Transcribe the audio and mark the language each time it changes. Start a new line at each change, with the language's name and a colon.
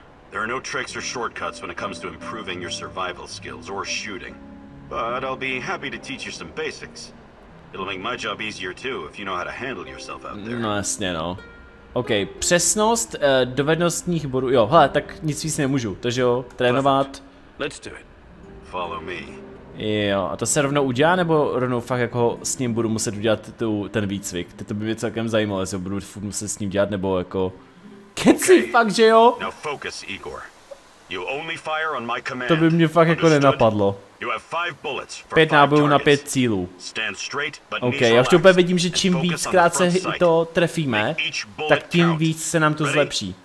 English: There are no tricks or shortcuts when it comes to improving your survival skills or shooting. But I'll be happy to teach you some basics. It'll make my job easier too if you know how to handle yourself out there.
Czech: No jasně, no. OK, přesnost dovednostních bodů. Jo, hele, tak nic víc nemůžu. Takže jo, trénovat.
English: Let's do it. Follow me.
Czech: Jo, a to se rovnou udělá, nebo rovnou fakt jako s ním budu muset udělat tu, ten výcvik? To by mě celkem zajímalo, jestli budu furt muset s ním dělat, nebo jako... Kecí, okay. Fakt, že jo?
English: Now focus, Igor. You only fire on my command.
Czech: To by mě fakt jako nenapadlo.
English: You have five bullets for
Czech: 5 nábojů na 5 cílů.
English: Stand straight, but
Czech: OK, já už úplně vidím, že čím víckrát se to trefíme, tak tím víc se nám to zlepší.